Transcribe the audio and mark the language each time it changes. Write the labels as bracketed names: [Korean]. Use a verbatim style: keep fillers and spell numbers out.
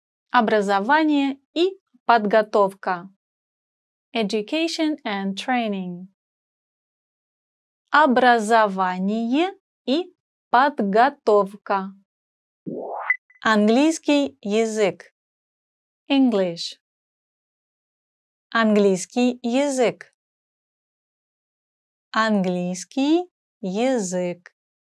[Russian] Образование и подготовка. [English] Education and training. [Russian] Образование и подготовка. Английский язык. [English] English. [Russian] Английский язык. Английский язык.